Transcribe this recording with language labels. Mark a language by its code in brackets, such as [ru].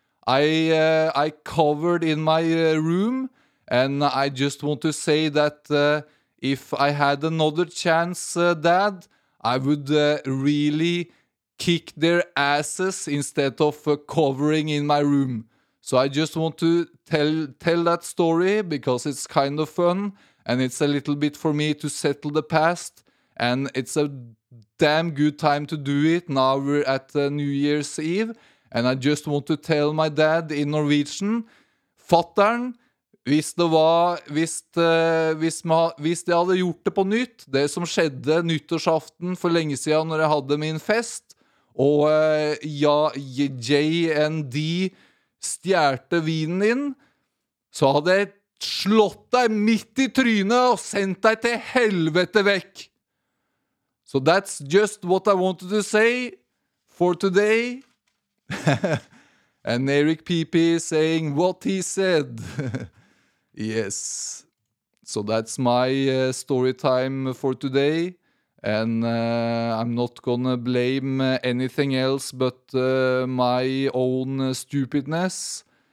[en] I covered in my room, and I just want to say that if I had another chance, Dad, I would really kick their asses instead of covering in my room. So I just want to tell that story because it's kind of fun, and it's a little bit for me to settle the past, and it's a damn good time to do it. Now we're at New Year's Eve, and I just want to tell my dad in Norwegian, [no] Fattern, hvis de hadde gjort det på nytt, det som skjedde nyttårsaften for lenge siden når jeg hadde min fest, og ja, JND stjerte vinen din, så hadde jeg slått deg midt i trynet og sendt deg til helvete vekk. [en] So that's just what I wanted to say for today. And Eric PP saying what he said. Yes. So that's my story time for today. And I'm not gonna blame anything else but my own stupidness.